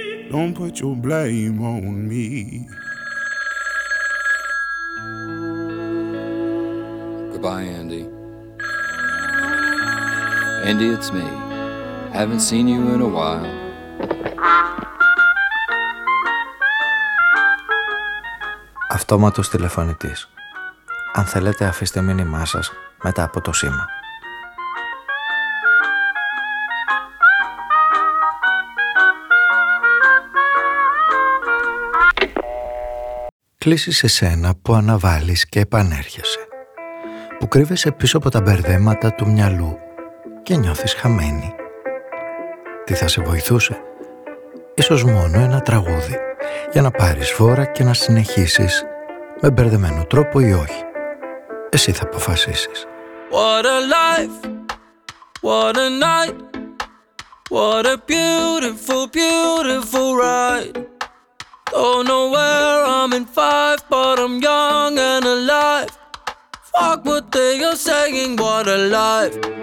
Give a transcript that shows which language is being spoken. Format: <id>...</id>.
<en>Don't put your blame on me. Goodbye, Andy. Andy, it's me. Haven't seen you in a while.</en> <el>Αυτόματος τηλεφωνητής. Αν θέλετε, αφήστε μήνυμά σας μετά από το σήμα. Κλείσει σε σένα που αναβάλεις και επανέρχεσαι, που κρύβεσαι πίσω από τα μπερδέματα του μυαλού και νιώθεις χαμένη. Τι θα σε βοηθούσε? Ίσως μόνο ένα τραγούδι, για να πάρεις φόρα και να συνεχίσεις, με μπερδεμένο τρόπο ή όχι. Εσύ θα αποφασίσεις.</el> <en>What a life, what a night, what a beautiful, beautiful ride. Don't know where I'm in five, but I'm young and alive. Fuck what they are saying, what a life.</en>